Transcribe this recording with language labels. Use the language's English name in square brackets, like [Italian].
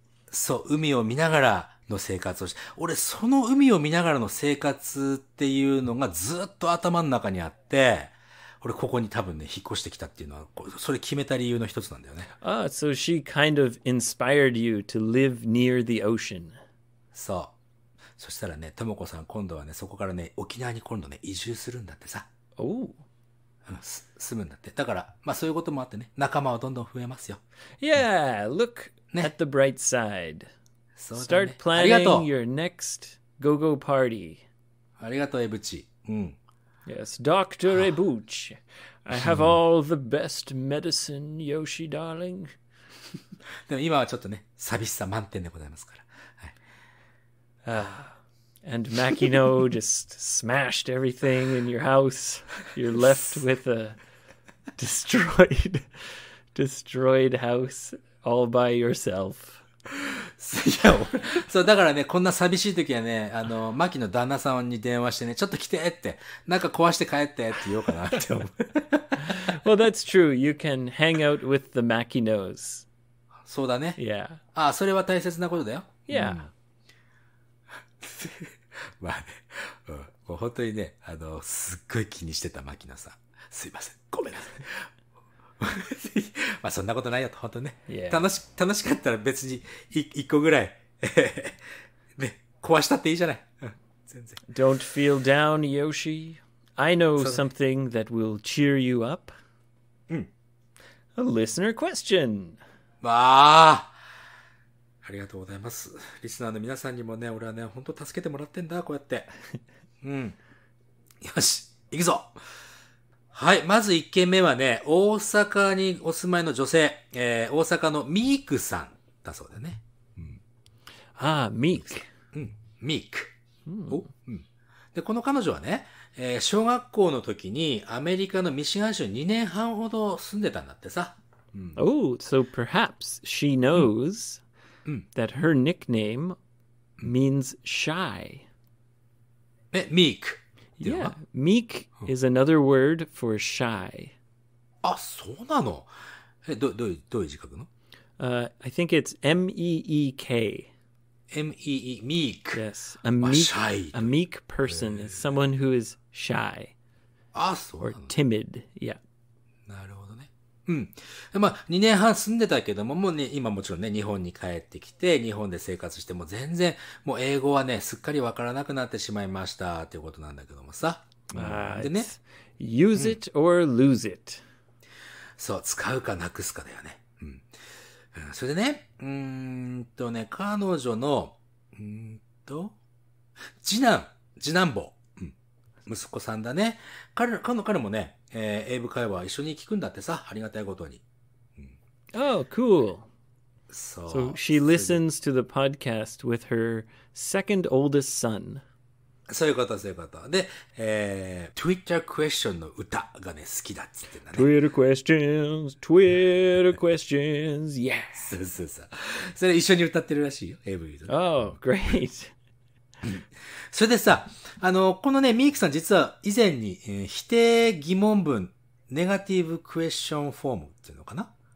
[Japanese] そう、海を見ながらの生活をして、俺その海を見ながらの生活っていうのがずっと頭の中にあって、俺ここに多分ね引っ越してきたっていうのはそれ決めた理由の一つなんだよね。 [English] So she kind of inspired you to live near the ocean. [Japanese] そう。そしたらね、ともこさん今度はねそこからね沖縄に今度ね移住するんだってさ。住むんだって。だからまあそういうこともあってね、仲間はどんどん増えますよ。 [English] Yeah, look、ね、at the bright side. [Japanese] そうだね。 [English] Start planning your next go-go party. [Japanese] ありがとう、エブチ。 [English] Yes, Dr. Ebuchi. I have all the best medicine, Yoshi darling. [Japanese] でも今はちょっとね、寂しさ満点でございますから。はい。 [English] And Makino just smashed everything in your house. You're left with a destroyed house. all by yourself. [Japanese] そう、だからね、こんな寂しい時はね、あの、マキの旦那さんに電話してね、ちょっと来てって、なんか壊して帰ってって言おうかなって思う。 [English] Well, that's true. You can hang out with the Mackie nose. [Japanese] そうだね。 [English] Yeah. [Japanese] ああ、それは大切なことだよ。 [English] Yeah. [Japanese] まあね、うん、もう本当にね、あの、すっごい気にしてた牧野さん。すいません。ごめんなさい。まあそんなことないよと、本当ね。 [English] Yeah. [Japanese] 楽しかったら別に一個ぐらい、ね、壊したっていいじゃない。全然。 [English] Don't feel down, Yoshi. I know something that will cheer you up. A listener question. [Japanese] わあ、ありがとうございます。リスナーの皆さんにもね、俺はね、本当助けてもらってんだ、こうやって。うん。よし、行くぞ。はい、まず一件目はね、大阪にお住まいの女性、大阪のミークさんだそうだね。うん、ああ、ミーク。うん、ミーク。お、うん。で、この彼女はね、小学校の時にアメリカのミシガン州に2年半ほど住んでたんだってさ。 [English] うん、oh, so perhaps she knows、 [Japanese] うん、 [English] that her nickname means shy. え、meek. Yeah, meek is another word for shy. [Japanese] あ、そうなの？え、どういう字書くの？ [English] I think it's M-E-E-K. M-E-E, meek. Yes, a meek person is someone who is shy. [Japanese] あ、そうなの？ [English] Or timid, yeah. [Japanese] うん。まあ、2年半住んでたけども、もうね、今もちろんね、日本に帰ってきて、日本で生活して、もう全然、もう英語はね、すっかりわからなくなってしまいました、ということなんだけどもさ。 [English] でね。use it or lose it.、うん、 [Japanese] そう、使うかなくすかだよね。うん。それでね、彼女の、次男坊。息子さんだね。彼もね、英語会話一緒に聞くんだってさ、ありがたいことに。 [English] うん、oh, cool. So, so she listens to the podcast with her second oldest son. [Japanese] そういうこと、そういうこと。で、Twitter question の歌がね、好きだって言ってんだね。 [English] Twitter questions, Twitter questions, yes. [Japanese] そうそうそう。それ一緒に歌ってるらしいよ、英語言うと。 [English] Oh, great. [Japanese] それでさ、このね、ミークさん実は以前に、否定疑問文、ネガティブクエスチョンフォームっていうのかな、